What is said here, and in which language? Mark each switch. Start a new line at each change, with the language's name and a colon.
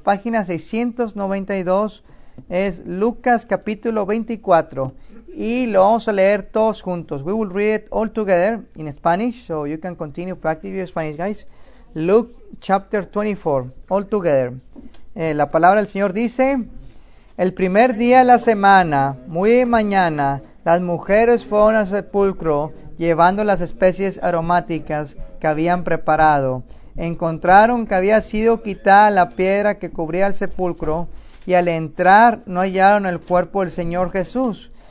Spanish: Página 692 es Lucas capítulo 24. Y lo vamos a leer todos juntos.
English: We will read it all together in Spanish. So you can continue practicing your Spanish, guys. Luke chapter 24. All together.
Spanish: La palabra del Señor dice: el primer día de la semana, muy de mañana, las mujeres fueron al sepulcro llevando las especies aromáticas que habían preparado. Encontraron que había sido quitada la piedra que cubría el sepulcro y al entrar no hallaron el cuerpo del Señor Jesús.